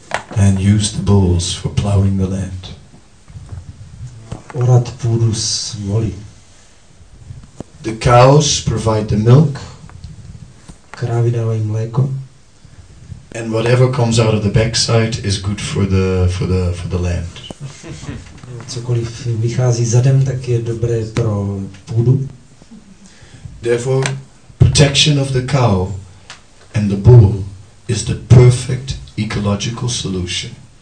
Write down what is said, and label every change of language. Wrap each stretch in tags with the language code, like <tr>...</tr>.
<en>And use the bulls for plowing the land.</en> <cs>Orat půdu s voly.</cs> <en>The cows provide the milk.</en> <cs>Krávy dávají mléko.</cs> <en>And whatever comes out of the backside is good for the land.</en> <cs>Cokoliv vychází zadem, tak je dobré pro půdu.</cs> <en>Therefore, protection of the cow and the bull is the perfect ecological solution.</en>